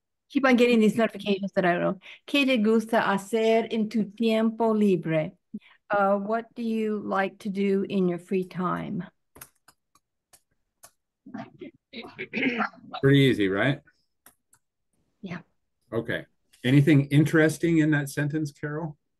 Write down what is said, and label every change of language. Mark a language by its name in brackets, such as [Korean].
[English] Keep on getting these notifications that I wrote. [Spanish] ¿Qué te gusta hacer en tu tiempo libre? [English] What do you like to do in your free time? Pretty easy, right? Yeah. Okay. Anything interesting in that sentence, Carol?